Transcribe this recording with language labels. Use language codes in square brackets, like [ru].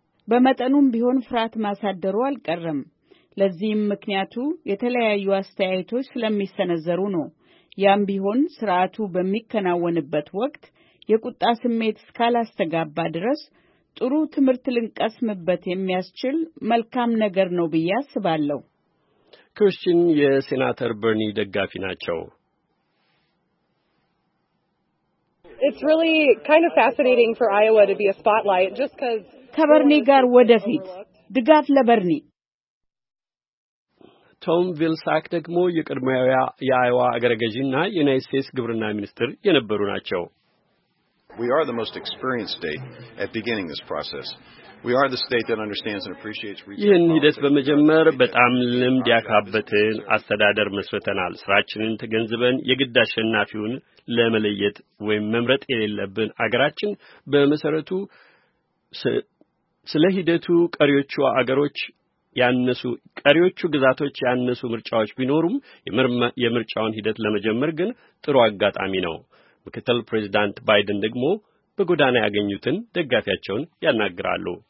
[am] በመጠኑም ቢሆን ፍራት ማሳደሩ አልቀረም። ለዚህም ምክንያቱ የተለያየ አስተያየቶች ስለሚሰነዘሩ ነው። ያም ቢሆን ስርዓቱ በሚከናወንበት ወቅት የቁጣ ስሜት ስካላስተጋባ ድረስ ጥሩ ትምርት ልንቀስምበት የሚያስችል መልካም ነገር ነው ብዬ አስባለሁ። ክርስቲያን የሴናተር በርኒ ደጋፊ ናቸው። [en] It's really kind of fascinating for Iowa to be a spotlight just cuz [am] ከበርኒ ጋር ወደፊት ድጋፍ ለበርኒ። ቶም ቪልሳክ ደግሞ የቀድሞው የአይዋ አገረ ገዢና የዩናይትድ ስቴትስ ግብርና ሚኒስትር የነበሩ ናቸው። [en] We are the most experienced state at beginning this process. We are the state that understands and appreciates research. [am] ይህን ሂደት በመጀመር በጣም ልምድ ያካበትን አስተዳደር መስርተናል። ስራችንን ተገንዝበን የግድ አሸናፊውን ለመለየት ወይም መምረጥ የሌለብን አገራችን በመሰረቱ ስለ ሂደቱ ቀሪዎቹ አገሮች ያነሱ ቀሪዎቹ ግዛቶች ያነሱ ምርጫዎች ቢኖሩም የምርጫውን ሂደት ለመጀመር ግን ጥሩ አጋጣሚ ነው። ምክትል ፕሬዚዳንት ባይደን ደግሞ በጎዳና ያገኙትን ደጋፊያቸውን ያናግራሉ።